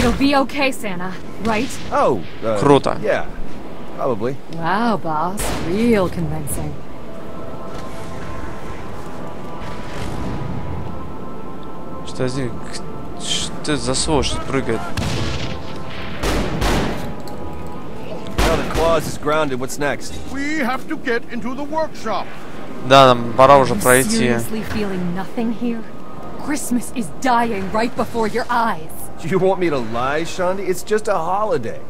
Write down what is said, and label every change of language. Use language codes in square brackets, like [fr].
[en] It'll be okay, Santa, right? Oh, [ru] круто. [en] Yeah, probably. Wow, boss, real convincing. [ru] Что за что за сволочь прыгает? [en] Now the claws is grounded. What's next? We have to get into the workshop. [ru] Да, нам пора уже пройти. [en] Seriously feeling nothing here? Christmas is dying right before your eyes. Do you want me to lie, Shandi? It's just a holiday.